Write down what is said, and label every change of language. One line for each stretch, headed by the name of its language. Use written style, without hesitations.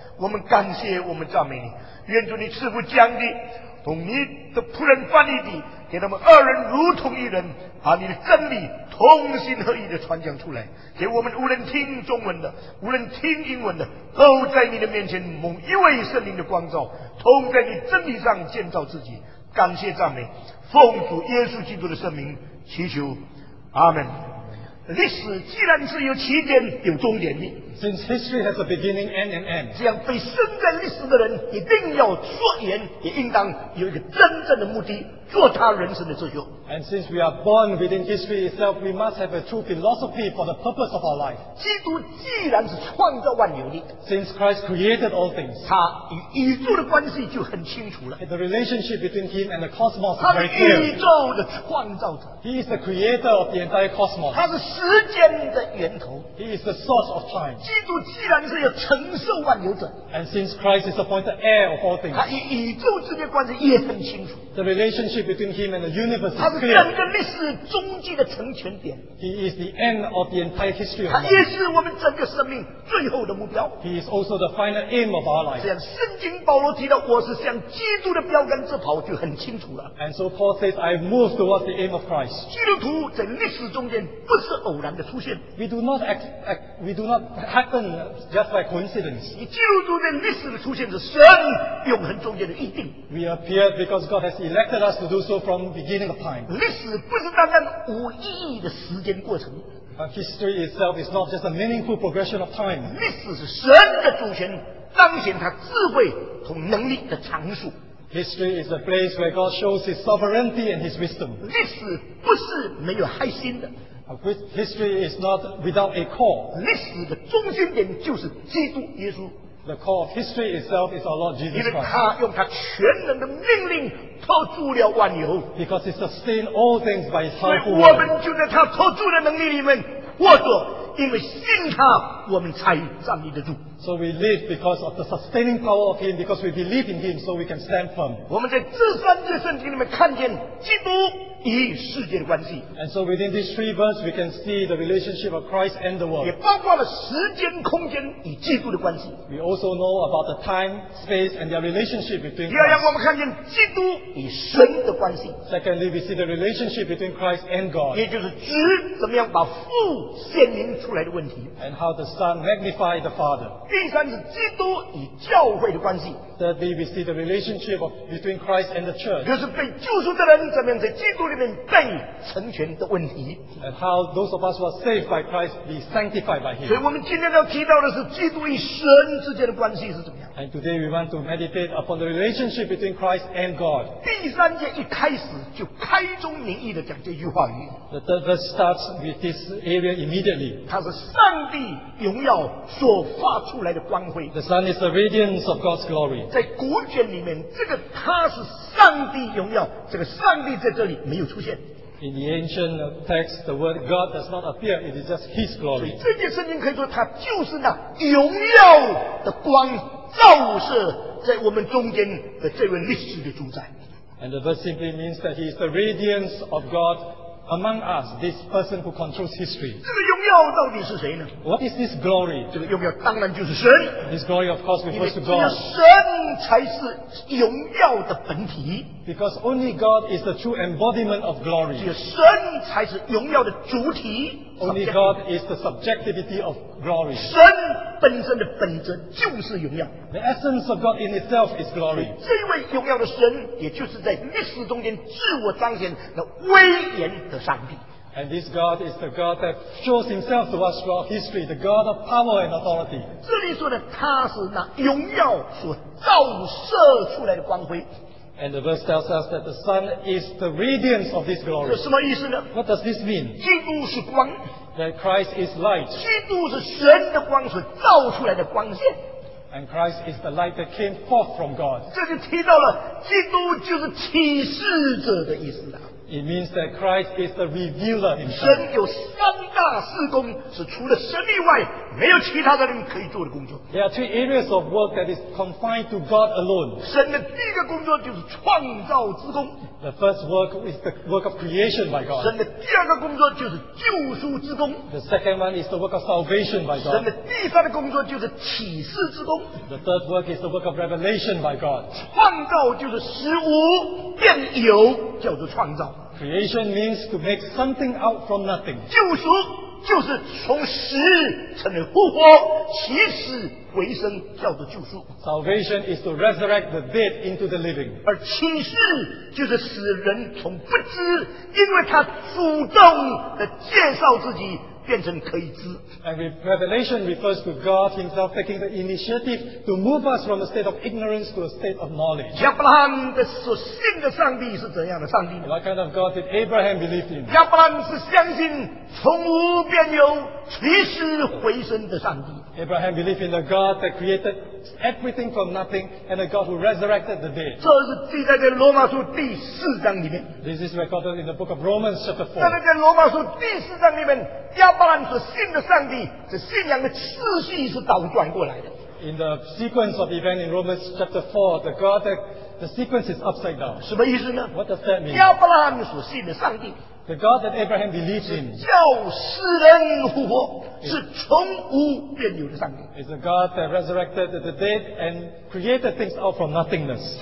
Chinese: 我们感谢我们赞美你，愿主你赐福将地同你的仆人翻译地，给他们二人如同一人，把你的真理同心合意的传讲出来，给我们无论听中文的无论听英文的，都在你的面前蒙一位圣灵的光照，同在你真理上建造自己。感谢赞美奉主耶稣基督的圣名祈求，阿们。历史既然是有起点有终点的，
English: Since history has a beginning and an end，
Chinese: 这样被生在历史的人一定要说言，也应当有一个真正的目的做他人生的追求。
English: And since we are born within history itself， we must have a true philosophy for the purpose of our life。
Chinese: 基督既然是创造万有的，
English: Since Christ created all things，
Chinese: 他与宇宙的关系就很清楚了。
English: The relationship between him and the cosmos is very clear。
Chinese: 他是宇宙的创造者，
English: He is the creator of the entire cosmos。
Chinese: 他是时间的源头，
English: He is the source of time。
Chinese: 基督既然是要承受万有者，
English: And since Christ is appointed heir of all things，
Chinese: 他与宇宙之间的关系也很清楚。
English: The relationship between him and the universe is clear.
Chinese: 他是整个历史终极的成全点。
English: He is the end of the entire history of life.
Chinese: 他也是我们整个生命最后的目标。
English: He is also the final aim of our life.
Chinese: 这样圣经保罗提到我是向基督的标杆直跑就很清楚了。
English: And so Paul says I move towards the aim of Christ.
Chinese: 基督徒在历史中间不是偶然的出现。
English: We do not happen just by coincidence.
Chinese: 以基督徒在历史的出现是神永恒中间的预定。
English: We appear because God has elected us to to do so from beginning of time.
Chinese: 历史不是单单无意义的时间过程。
English: History itself is not just a meaningful progression of time.
Chinese: 历史是神的主权彰显他智慧和能力的场所。
English: History is a place where God shows His sovereignty and His wisdom.
Chinese: 历史不是没有核心的。
English: History is not without a core.
Chinese: 历史的中心点就是基督耶稣。
English: The core of history itself is our Lord Jesus Christ.
Chinese: 因为他用他全能的命令托住了万有。
English: Because He sustained all things by His powerful word.
Chinese: 所以我们就在他托住的能力里面活着，因为信他，我们才站立得住。
English: So we live because of the sustaining power of Him, because we believe in Him, so we can stand firm.
Chinese: 我们在这三节圣经里面看见基督与世界的关系。
English: And so within these three verses, we can see the relationship of Christ and the world.
Chinese: 也包括了时间、空间与基督的关系。
English: We also know about the time, space, and their relationship between.
Chinese: 第二，让我们看见基督与神的关系。
English: Secondly, we see the relationship between Christ and God.
Chinese: 也就是子怎么样把父显明出来的问题。
English: And how the Son magnified the Father.
Chinese: 第三是基督与教会的关系。
English: Thirdly, we see the relationship of, between Christ and the church.
Chinese: 就是被救赎的人怎么样在基督里面被成全的问题。
English: And how those of us who are saved by Christ be sanctified by Him.
Chinese: 所以我们今天要提到的是基督与神之间的关系是怎么样。
English: And today we want to meditate upon the relationship between Christ and God.
Chinese: 第三节一开始就开宗明义的讲这句话语。
English: The third verse starts with this area immediately.
Chinese: 它是上帝荣耀所发出来的光辉。
English: The sun is the radiance of God's glory.
Chinese: 在古卷里面，这个他是上帝荣耀，这个上帝在这里没有出现。
English: In the ancient text, the word God does not appear; it is just His glory.
Chinese: 所以这节圣经可以说，它就是那荣耀的光照射在我们中间的这位历史的主宰。
English: And the verse simply means that He is the radiance of God among us. This person who controls history.
Chinese: 这个荣耀到底是谁呢？
English: What is this glory?
Chinese: 这个荣耀当然就是神。
English: This glory, of course, refers to God.
Chinese: 因为神才是荣耀的本体。
English: Because only God is the true embodiment of glory.
Chinese: 只有神才是荣耀的主体。
English: Only God is the subjectivity of glory.
Chinese: 神本身的本质就是荣耀。
English: The essence of God in itself is glory.
Chinese: 这位荣耀的神，也就是在历史中间自我彰显的威严的上帝。
English: And this God is the God that shows Himself to us throughout history, the God of power and authority.
Chinese: 这里说的他是那荣耀所照射出来的光辉。
English: And the verse tells us that the Son is the radiance of this glory.
Chinese: 这什么意思呢？
English: What does this mean?
Chinese: 基督是光。
English: That Christ is light.
Chinese: 基督是神的光所照出来的光线。
English: And Christ is the light that came forth from God.
Chinese: 这就提到了基督就是启示者的意思了。
English: It means that Christ is the revealer himself.
Chinese: 神有三大事工，是除了神以外没有其他的人可以做的工作。
English: There are two areas of work that is confined to God alone.
Chinese: 神的第一个工作就是创造之工。
English: The first work is the work of creation by God.
Chinese: 神的第二个工作就是救赎之工。
English: The second one is the work of salvation by God.
Chinese: 神的第三个工作就是启示之工。
English: The third work is the work of revelation by God.
Chinese: 创造就是使无变有，叫做创造。
English: Creation means to make something out from nothing.
Chinese: 救赎就是从死成为复活，起死回生，叫做救赎。
English: Salvation is to resurrect the dead into the living.
Chinese: 而启示就是使人从不知，因为他主动的介绍自己，变成可以知。
English: And revelation refers to God Himself taking the initiative to move us from a state of ignorance to a state of knowledge.
Chinese: 亚伯拉罕的所信的上帝是怎样的上帝？
English: What kind of God did Abraham believe in?
Chinese: 亚伯拉罕是相信从无变有、起死回生的上帝。
English: Abraham believed in the God that created everything from nothing and the God who resurrected the dead.
Chinese: 这是记载在罗马书第四章里面。
English: This is recorded in the book of Romans chapter 4.
Chinese: 在罗马书第四章里面，亚伯兰所信的上帝，这信仰的次序是倒转过来的。
English: In the sequence of events in Romans chapter 4, the God that the sequence is upside down.
Chinese: 什么意思呢？
English: What does that mean?
Chinese: 亚伯兰所信的上帝。
English: The God that Abraham believes in
Chinese: 叫世人复活，是从无变有的上帝。
English: Is a God that resurrected the dead and created things out from nothingness.